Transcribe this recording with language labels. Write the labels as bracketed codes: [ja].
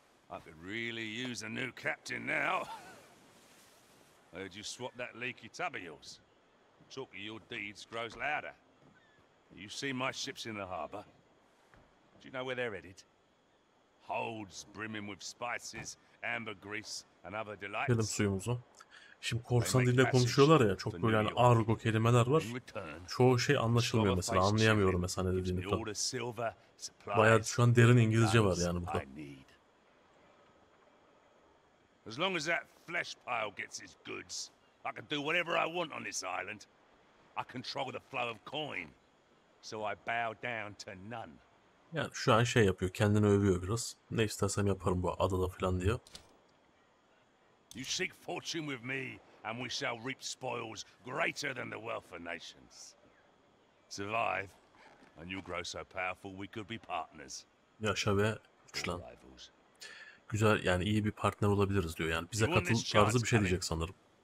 [en] I could really use a new captain now. I heard you swap that leaky tub of yours. Talk of your deeds grows louder. You see my ships in the harbor? Do you know where they're headed? Holds brimming with spices, amber grease and other delights. [tr] Şimdi korsan dille konuşuyorlar ya, çok böyle yani argo kelimeler var. Çoğu şey anlaşılmıyor mesela, anlayamıyorum mesela ne dediğini falan. Bayağı şu an derin İngilizce var yani burada. [en] As long as that flesh pile gets its goods, I can do whatever I want on this island. I control the flow of coin, so I bow down to none. [tr] Yani şu an şey yapıyor, kendini övüyor biraz. Ne istersem yaparım bu adada falan diyor. [en] You seek fortune with me, and we shall reap spoils greater than the wealth of nations. Survive, and you'll grow so powerful we could be partners. [tr] Yaşa ve güçlen. Güzel, yani iyi bir partner olabiliriz diyor. Yani bize katıl tarzı bir şey diyecek sanırım.